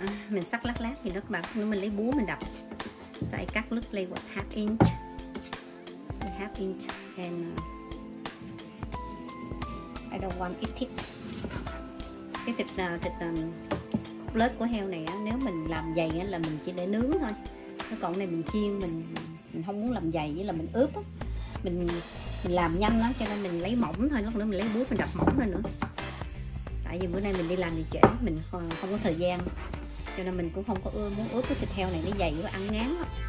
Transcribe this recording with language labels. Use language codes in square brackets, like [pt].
[vi] Mình sắc lát lát thì nó các bạn, nếu mình lấy búa mình đập. [en] So I cut roughly what half inch. Half inch and I don't want it thick. [vi] Cái thịt lết của heo này á, nếu mình làm dày á là mình chỉ để nướng thôi. Cái còn này mình chiên, mình không muốn làm dày với là mình ướp á. Mình làm nhanh lắm cho nên mình lấy mỏng thôi, lúc nữa mình lấy búa mình đập mỏng thôi nữa. Tại vì bữa nay mình đi làm thì trễ, mình không có thời gian. Cho nên mình cũng không có ưa muốn ướp cái thịt heo này nó dày quá ăn ngán lắm.